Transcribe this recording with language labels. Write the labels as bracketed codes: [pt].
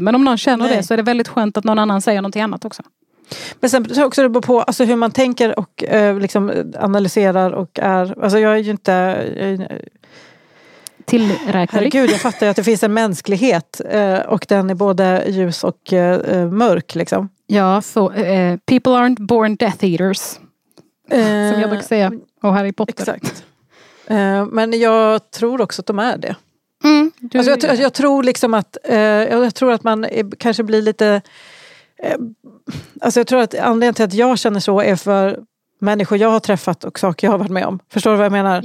[sv] Men om någon känner det, så är det väldigt skönt att någon annan säger någonting annat också. Men sen så också det beror på alltså hur man tänker och liksom analyserar och är... Alltså jag är ju inte... tillräcklig. Herregud, jag fattar ju att det finns en mänsklighet och den är både ljus och mörk liksom. Ja, så [en] people aren't born death eaters. [sv] Som jag brukar säga. Och Harry Potter. Exakt. Men jag tror också att de är det. Mm, alltså, jag tror liksom att jag tror att man kanske blir lite alltså jag tror att anledningen till att jag känner så är för människor jag har träffat och saker jag har varit med om. Förstår du vad jag menar?